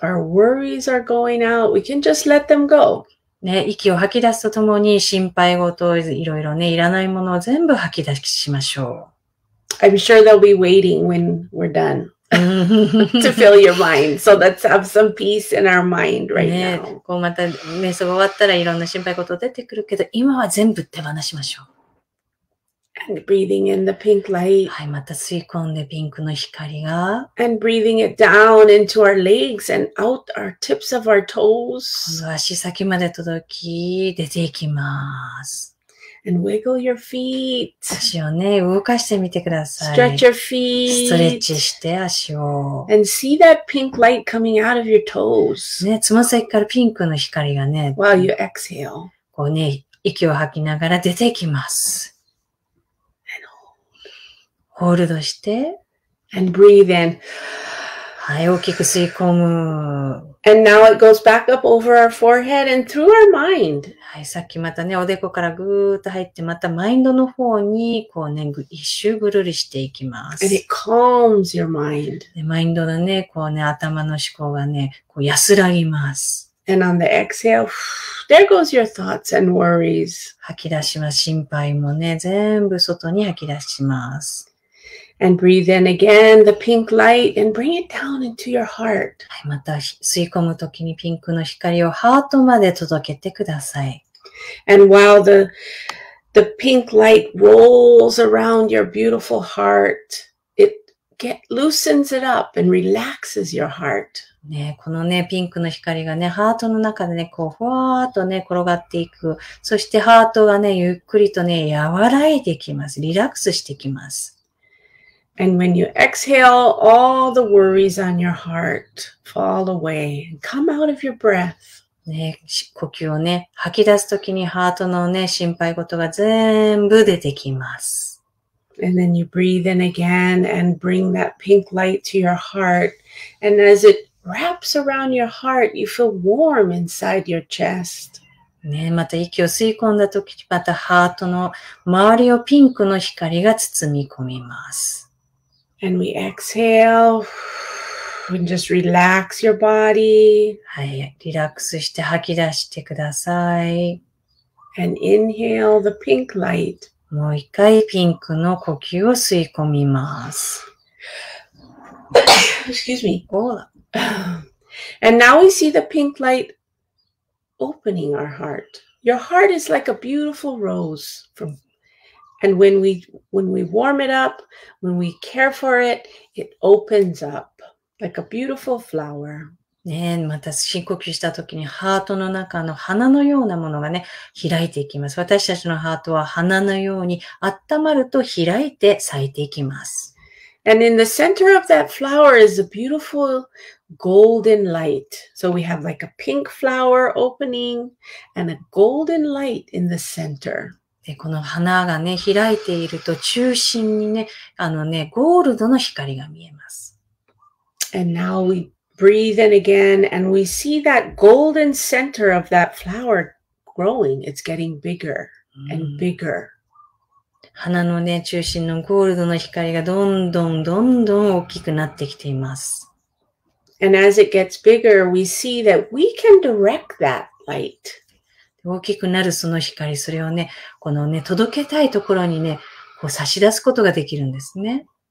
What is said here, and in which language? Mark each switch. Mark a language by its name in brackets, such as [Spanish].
[English] Our worries are going out. We can just let them go. [Japanese] ね、息を吐き出すとともに心配事をいろいろね、いらないものを全部吐き出しましょう。 [English] I'm sure they'll be waiting when we're done to fill your mind. So let's have some peace in our mind right now. ね、 [Japanese] こうまた瞑想が終わったらいろんな心配事出てくるけど、今は全部手放しましょう。 [English] And breathing in the pink light. [Japanese] はい、また吸い込んでピンクの光が。 [English] And breathing it down into our legs and out our tips of our toes. [Japanese] 今度は足先まで届き、出ていきます。 [English] And wiggle your feet. [Japanese] 足をね、動かしてみてください。 [English] Stretch your feet. [Japanese] ストレッチして足を。 [English] And see that pink light coming out of your toes. [Japanese] ね、つま先からピンクの光がね。 [English] While you exhale. [Japanese] こうね、息を吐きながら出ていきます。ホールドして、 [English] and breathe in. [Japanese] はい、大きく吸い込む。 [English] And now it goes back up over our forehead and through our mind. [Japanese] はい、さっきまたね、おでこからぐーっと入って、またマインドの方に、こうね、一周ぐるりしていきます。 [English] And it calms your mind. [Japanese] で、マインドのね、こうね、頭の思考がね、こう安らぎます。 [English] And on the exhale, there goes your thoughts and worries. [Japanese] 吐き出します。心配もね、全部外に吐き出します。 [English] And breathe in again the pink light and bring it down into your heart. [Japanese] はい、また吸い込むときにピンクの光をハートまで届けてください。 [English] And while the pink light rolls around your beautiful heart, it loosens it up and relaxes your heart. [Japanese] ね、このね、ピンクの光がね、ハートの中でね、こう、ふわーっとね、転がっていく。そして、ハートがね、ゆっくりとね、和らいできます。リラックスしてきます。 [English] And when you exhale, all the worries on your heart fall away. Come out of your breath. [Japanese] ね、呼吸をね、吐き出すときに、ハートのね、心配事が全部出てきます。 [English] And then you breathe in again and bring that pink light to your heart. And as itWraps around your heart, you feel warm inside your chest. [Japanese] ね、また息を吸い込んだとき、またハートの周りをピンクの光が包み込みます。 [English] And we exhale, and just relax your body. [Japanese] はい、リラックスして吐き出してください。 [English] And inhale the pink light. [Japanese] もう一回ピンクの呼吸を吸い込みます。 [English] Excuse me. [Japanese] オーラ。 [English] And now we see the pink light opening our heart. Your heart is like a beautiful rose. And when we warm it up, when we care for it, it opens up like a beautiful flower. [Japanese] ね、また深呼吸した時にハートの中の花のようなものがね、開いていきます。私たちのハートは花のように温まると開いて咲いていきます。 [English] And in the center of that flower is a beautiful golden light. So we have like a pink flower opening and a golden light in the center. [Japanese] で、この花がね、開いていると中心にね、あのね、ゴールドの光が見えます。 [English] And now we breathe in again and we see that golden center of that flower growing. It's getting bigger and bigger. [Japanese] 花のね、中心のゴールドの光がどんどんどんどん大きくなってきています。 [English] And as it gets bigger, we see that we can direct that light. [Japanese] 大きくなるその光、それをね、このね、届けたいところにね、こう差し出すことができるんですね。